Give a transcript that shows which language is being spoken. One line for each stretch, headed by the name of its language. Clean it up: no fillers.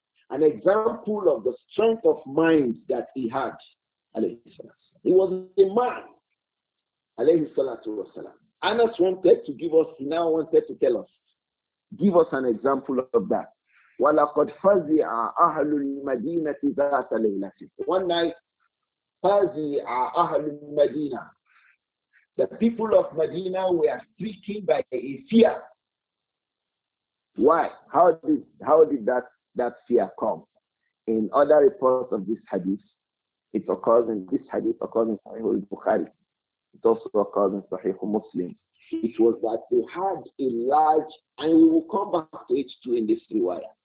English: An example of the strength of mind that he had, alayhi salam. He was a man, alayhi salatu wa sallam. Anas wanted to give us, he now wanted to tell us, give us an example of that.
Arabic: وَلَقَدْ فَزِعَ أَهْلُ الْمَدِينَةِ ذَاتَ لَيْلَةٍ.
English: One night,
Arabic: فَزِعَ أَهْلُ الْمَدِينَةِ.
English: The people of Medina were stricken by a fear. Why? How did that fear come? In other reports of this hadith, it occurs in this hadith, occurs in Sahih al-Bukhari. It also occurs in Sahih al-Muslim. It was that they had a large, and we will come back to it too in this riwayah.